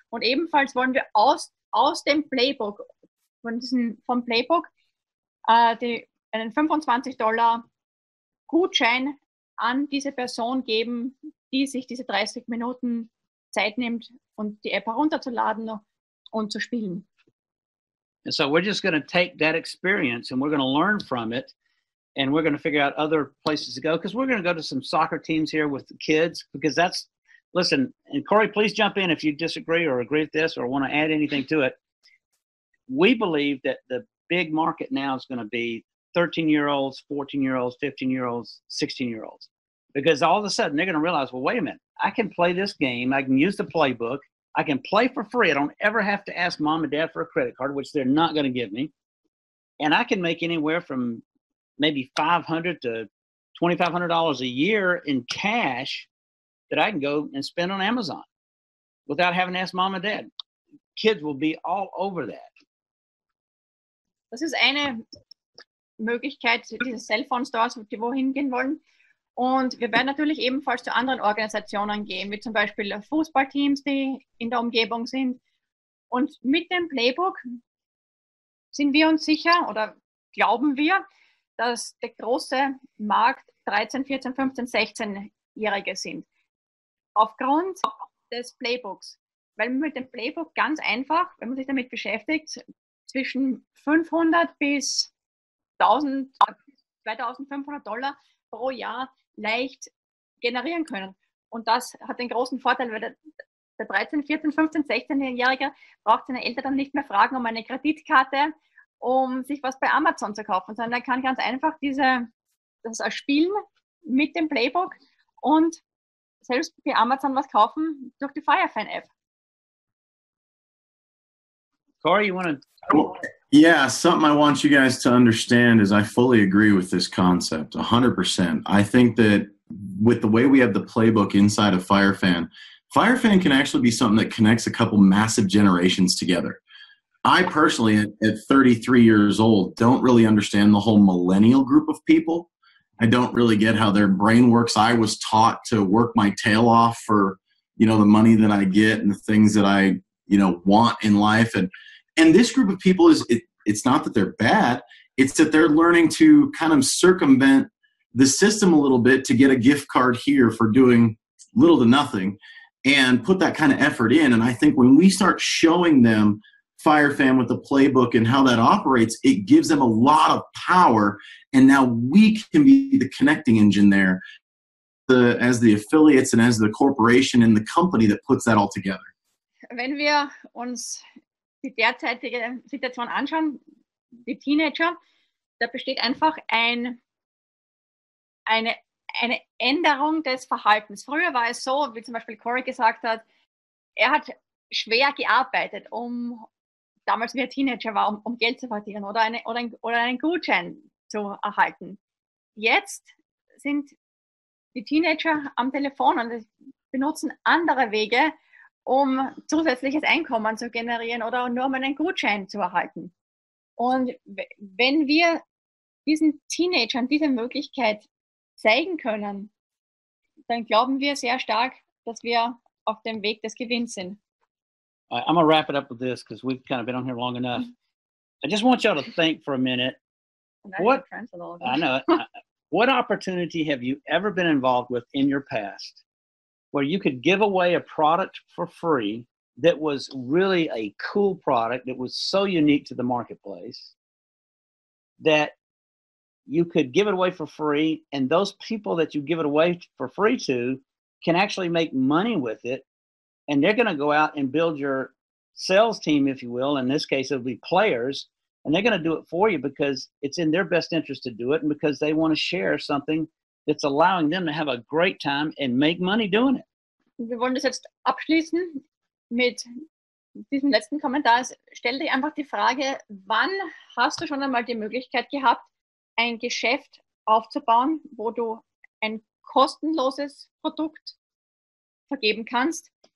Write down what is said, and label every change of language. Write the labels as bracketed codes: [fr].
[de] Und ebenfalls wollen wir aus dem Playbook, vom Playbook, einen $25 Gutschein an diese Person geben, die sich diese 30 Minuten Zeit nimmt, und die App herunterzuladen und zu spielen. [en] And so we're just going to take that experience and we're going to learn from it, and we're going to figure out other places to go, because we're going to go to some soccer teams here with the kids, because that's, listen, and Corey, please jump in if you disagree or agree with this or want to add anything to it. We believe that the big market now is going to be 13-year-olds, 14-year-olds, 15-year-olds, 16-year-olds, because all of a sudden they're going to realize, well, wait a minute, I can play this game, I can use the playbook, I can play for free. I don't ever have to ask mom and dad for a credit card, which they're not going to give me. And I can make anywhere from maybe $500 to $2,500 a year in cash that I can go and spend on Amazon without having to ask mom and dad. Kids will be all over that. [de] Das ist eine Möglichkeit, diese Cellphone-Stores, die wohin gehen wollen. Und wir werden natürlich ebenfalls zu anderen Organisationen gehen, wie zum Beispiel Fußballteams, die in der Umgebung sind. Und mit dem Playbook sind wir uns sicher, oder glauben wir, dass der große Markt 13, 14, 15, 16-Jährige sind. Aufgrund des Playbooks. Weil mit dem Playbook ganz einfach, wenn man sich damit beschäftigt, zwischen 500 bis 2.500 Dollar pro Jahr leicht generieren können. Und das hat den großen Vorteil, weil der 13, 14, 15, 16-Jährige braucht seine Eltern dann nicht mehr fragen um eine Kreditkarte, um sich was bei Amazon zu kaufen, sondern er kann ganz einfach das erspielen mit dem Playbook und selbst bei Amazon was kaufen durch die Firefan-App. [en] Corey, you want to... Yeah, something I want you guys to understand is I fully agree with this concept, 100%. I think that with the way we have the playbook inside of Firefan, Firefan can actually be something that connects a couple massive generations together. I personally, at 33 years old, don't really understand the whole millennial group of people. I don't really get how their brain works. I was taught to work my tail off for, you know, the money that I get and the things that I, you know, want in life. And this group of people it's not that they're bad. It's that they're learning to kind of circumvent the system a little bit to get a gift card here for doing little to nothing and put that kind of effort in. And I think when we start showing them Firefan with the playbook and how that operates, it gives them a lot of power. And now we can be the connecting engine there as the affiliates and as the corporation and the company that puts that all together. [de] Wenn wir uns die derzeitige Situation anschauen, die Teenager, da besteht einfach eine Änderung des Verhaltens. Früher war es so, wie zum Beispiel Corey gesagt hat, er hat schwer gearbeitet, um damals, wie er Teenager war, um Geld zu verdienen oder einen Gutschein zu erhalten. Jetzt sind die Teenager am Telefon und benutzen andere Wege, um zusätzliches Einkommen zu generieren oder nur um einen Gutschein zu erhalten. Und wenn wir diesen Teenagern diese Möglichkeit zeigen können, dann glauben wir sehr stark, dass wir auf dem Weg des Gewinns sind. [en] I'm going to wrap it up with this because we've kind of been on here long enough. I just want y'all to think for a minute. What opportunity have you ever been involved with in your past where you could give away a product for free that was really a cool product that was so unique to the marketplace that you could give it away for free and those people that you give it away for free to can actually make money with it and they're going to go out and build your sales team, if you will. In this case, it'll be players. And they're going to do it for you because it's in their best interest to do it and because they want to share something that's allowing them to have a great time and make money doing it. [de] Wir wollen das jetzt abschließen mit diesem letzten Kommentar. Stell dir einfach die Frage, wann hast du schon einmal die Möglichkeit gehabt, ein Geschäft aufzubauen, wo du ein kostenloses Produkt vergeben kannst?